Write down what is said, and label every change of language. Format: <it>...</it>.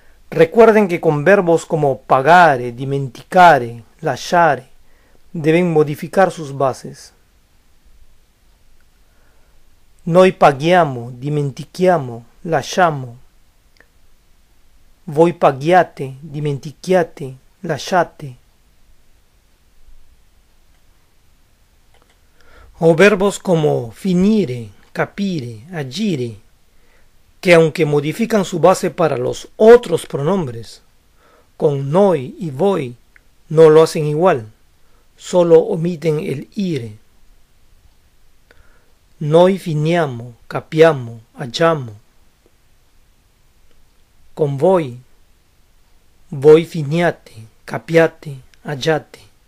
<es>Recuerden que con verbos como pagare, dimenticare, lasciare, deben modificar sus bases.</es> <it>Noi paghiamo, dimentichiamo, lasciamo. Voi paghiate, dimentichiate, lasciate.</it> <es>O verbos como finire, capire, agire, que aunque modifican su base para los otros pronombres, con noi y voi no lo hacen igual, solo omiten el ire.</es> <it>Noi finiamo, capiamo, agiamo. Con voi, voi finiate, capiate, agiate.</it>